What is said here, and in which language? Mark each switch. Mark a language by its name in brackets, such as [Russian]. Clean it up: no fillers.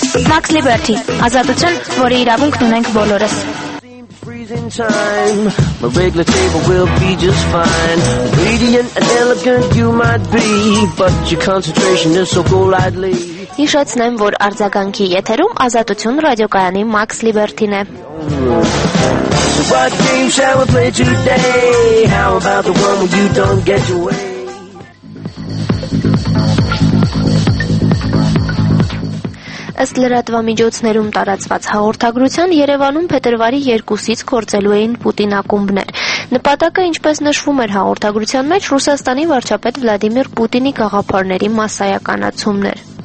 [Armenian] Max Liberty, ազատություն, որի իրավունքն ունենք բոլորս. [English] In time, my regular table will be just fine. Radiant and elegant you might be, but your concentration is so golightly. [Armenian] Հիշեցնեմ, որ արձագանքի եթերում ազատություն ռադիոկայանի Max Liberty-ն է. [English] What game shall we play today? How about the one where you don't get your way? [Armenian] Ըստ լրատվամիջոցներում տարածված հաղորդագրության Երևանում փետրվարի 2-ից գործելու էին Պուտինակումբներ։ Նպատակը, ինչպես նշվում էր հաղորդագրության մեջ, Ռուսաստանի վարչապետ Վլադիմիր Պուտինի գաղափարների մասսայականացումներ։